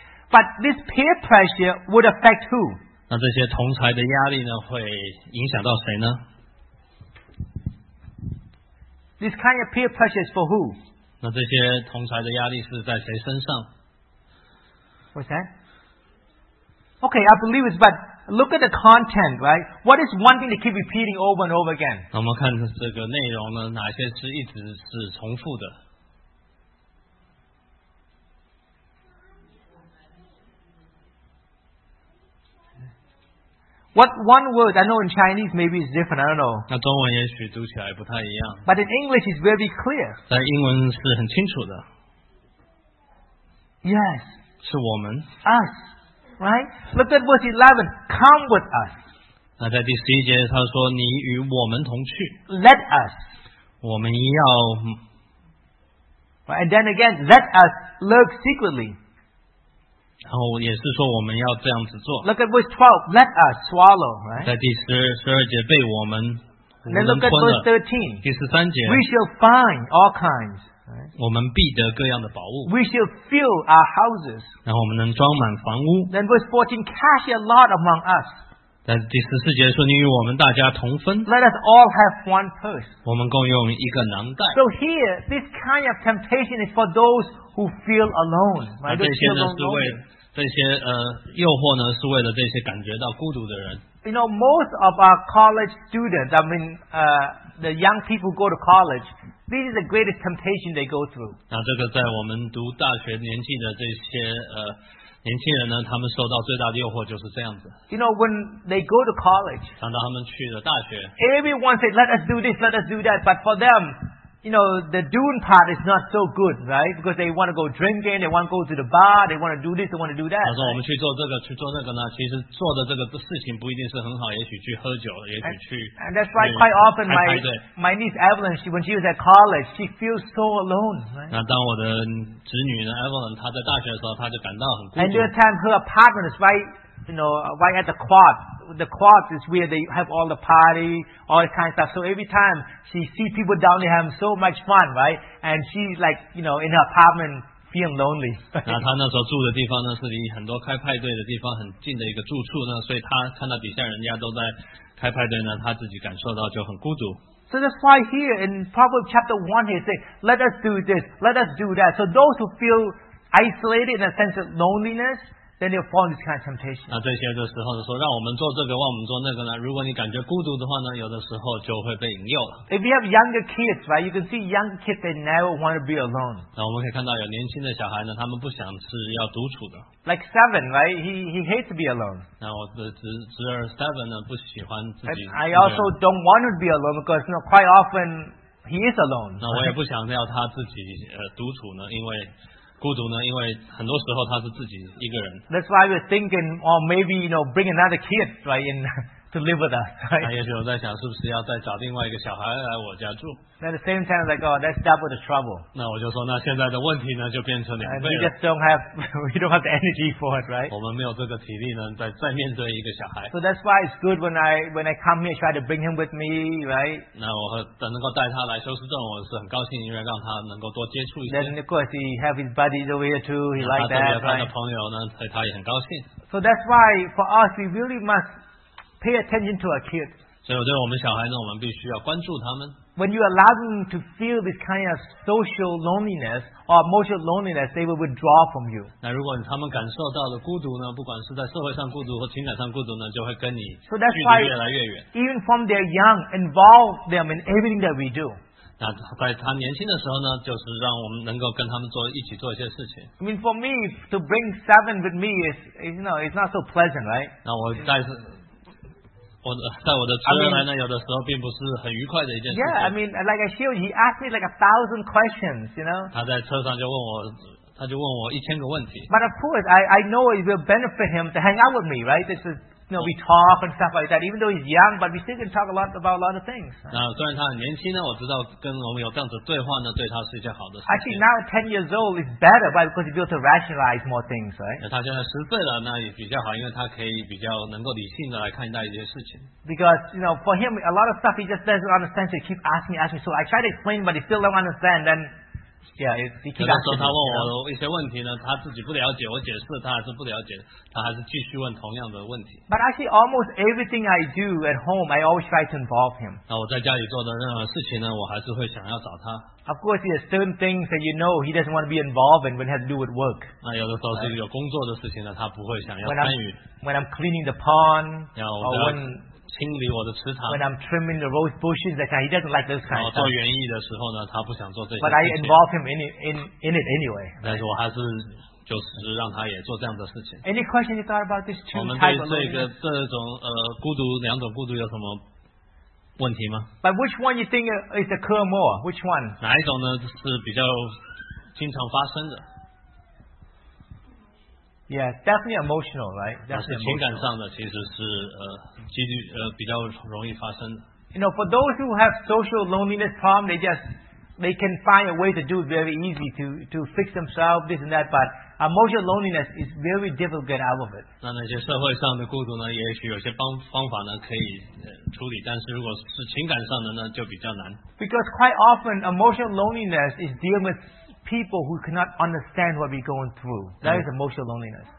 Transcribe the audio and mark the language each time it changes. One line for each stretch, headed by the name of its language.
English: But this peer pressure would affect who?
Chinese: 那这些同侪的压力呢, 会影响到谁呢?
English: This kind of peer pressure is for who?
Chinese: 那这些同侪的压力是在谁身上?
English: What's that? Okay, I believe it's, but look at the content, right? What is one thing they keep repeating over and over again?
Chinese: 那我们看这个内容呢, 哪些是一直是重复的?
English: What one word, I know in Chinese maybe it's different, I don't know.
Chinese: 那中文也许读起来不太一样。
English: But in English it's very clear.
Chinese: 在英文是很清楚的。
English: Yes.
Chinese: 是我们。
English: Us. Right? Look at verse 11. Come with us.
Chinese: 那在第十一节他说, 你与我们同去。
English: Let us.
Chinese: 我们要。
English: Right? And then again, let us lurk secretly.
Chinese: 然后也是说我们要这样子做。
English: Look at verse 12. Let us swallow. Right?
Chinese: 在第十二节, 被我们,
English: then look at verse 13.
Chinese: 第十三节,
English: we shall find all kinds. Right?
Chinese: 我们必得各样的宝物。
English: We shall fill our houses.
Chinese: 然后我们能装满房屋。
English: Then verse 14. Cast your lot among us.
Chinese: 但第十四节说你与我们大家同分。
English: Let us all have one purse.
Chinese: 我们共用一个囊袋。
English: So here, this kind of temptation is for those who feel alone.
Chinese: 这些呢是为这些诱惑呢是为了这些感觉到孤独的人。
English: You know, most of our college students, I mean, the young people go to college. This is the greatest temptation they go through.
Chinese: 那这个在我们读大学年纪的这些年轻人呢，他们受到最大的诱惑就是这样子。
English: You know, when they go to college,
Chinese: 想到他们去了大学
English: ，everyone say, "Let us do this, let us do that." But for them, you know, the doing part is not so good, right? Because they want to go drinking, they want to go to the bar, they want to do this, they want to do that.
Chinese: 他说我们去做这个，去做那个呢，其实做的这个事情不一定是很好，也许去喝酒，也许去。
English: And that's why quite often my niece Evelyn, when she was at college, she feels so alone, right?
Chinese: 那当我的侄女呢 Evelyn, 她在大学的时候，她就感到很孤独。
English: And there are times her apartment is right at the quad. The quad is where they have all the party, all that kind of stuff. So every time she sees people down there having so much fun, right? And she's like, you know, in her apartment feeling lonely.
Chinese: 那她那时候住的地方呢，是离很多开派对的地方很近的一个住处呢，所以她看到底下人家都在开派对呢，她自己感受到就很孤独。
English: So that's why here in Proverbs chapter 1, he says, let us do this, let us do that. So those who feel isolated in a sense of loneliness, then you'll fall into this kind of temptation.
Chinese: 那这些的时候呢，说让我们做这个，让我们做那个呢。如果你感觉孤独的话呢，有的时候就会被引诱了。
English: If you have younger kids, right, you can see young kids they never want to be alone.
Chinese: 那我们可以看到有年轻的小孩呢，他们不想是要独处的。
English: Like Seven, right? He hates to be alone.
Chinese: 那我的侄儿 Seven 呢，不喜欢自己。
English: I also don't want to be alone because, you know, quite often he is alone.
Chinese: 那我也不想要他自己独处呢，因为。孤独呢，因为很多时候他是自己一个人。
English: That's why we're thinking, or maybe you know, bring another kid right in to live with us.
Chinese: 那也许我在想，是不是要再找另外一个小孩来我家住
English: ？At the same time, like, oh, that's double the trouble.
Chinese: 那我就说，那现在的问题呢，就变成两倍了。
English: We just don't have, we don't have the energy for it, right?
Chinese: 我们没有这个体力呢，再面对一个小孩。
English: So that's why it's good when I come here, try to bring him with me, right?
Chinese: 那我等能够带他来休斯顿，我是很高兴，因为让他能够多接触一些。
English: Then of course he have his buddies over here too. He like that, right?
Chinese: 他的朋友呢，所以他也很高兴。
English: So that's why for us, we really must. Pay attention to our kids.
Chinese: 所以对我们小孩呢，我们必须要关注他们。
English: When you allow them to feel this kind of social loneliness or emotional loneliness, they will withdraw from you.
Chinese: 那如果他们感受到了孤独呢，不管是在社会上孤独或情感上孤独呢，就会跟你距离越来越远。
English: So that's why, even from their young, involve them in everything that we do.
Chinese: 那在他年轻的时候呢，就是让我们能够跟他们一起做一些事情。
English: I mean, for me to bring Seven with me is, you know, it's not so pleasant, right?
Chinese: 那我带是。在我的侄儿来呢，有的时候并不是很愉快的一件事情。
English: Yeah, I mean, like I showed, he asked me like 1,000 questions, you know.
Chinese: 他在车上就问我，他就问我1,000个问题。
English: But of course, I know it will benefit him to hang out with me, right? This is, you know, we talk and stuff like that. Even though he's young, but we still can talk a lot about a lot of things.
Chinese: 那虽然他很年轻呢，我知道跟我们有这样子对话呢，对他是一件好的事情。
English: Actually, now 10 years old is better, right? Because he's able to rationalize more things, right?
Chinese: 那他现在十岁了，那也比较好，因为他可以比较能够理性的来看待一些事情。
English: Because, you know, for him, a lot of stuff he just doesn't understand, so he keeps asking. So I try to explain, but he still don't understand. Then, yeah, he keeps asking.
Chinese: 他问我一些问题呢，他自己不了解，我解释他还是不了解，他还是继续问同样的问题。
English: But actually, almost everything I do at home, I always try to involve him.
Chinese: 那我在家里做的任何事情呢，我还是会想要找他。
English: Of course, there are certain things that you know he doesn't want to be involved in when it has to do with work.
Chinese: 那有的时候是有工作的事情呢，他不会想要参与。
English: When I'm cleaning the pond, or when
Chinese: 清理我的池塘。
English: When I'm trimming the rose bushes, that kind, he doesn't like those kinds.
Chinese: 然后做园艺的时候呢，他不想做这些。
English: But I involve him in it anyway.
Chinese: 但是我还是就是让他也做这样的事情。
English: Any question you thought about this two types of loneliness?
Chinese: 我们对这种孤独两种孤独有什么问题吗
English: ？But which one you think is occur more? Which one?
Chinese: 哪一种呢是比较经常发生的
English: ？Yeah, definitely emotional, right?
Chinese: 那是情感上的，其实是几率比较容易发生的。
English: You know, for those who have social loneliness problem, they can find a way to do it very easy to fix themselves this and that. But emotional loneliness is very difficult to get out of it.
Chinese: 那些社会上的孤独呢，也许有些方法呢可以处理，但是如果是情感上的呢，就比较难。
English: Because quite often emotional loneliness is dealing with people who cannot understand what we're going through. That is emotional loneliness.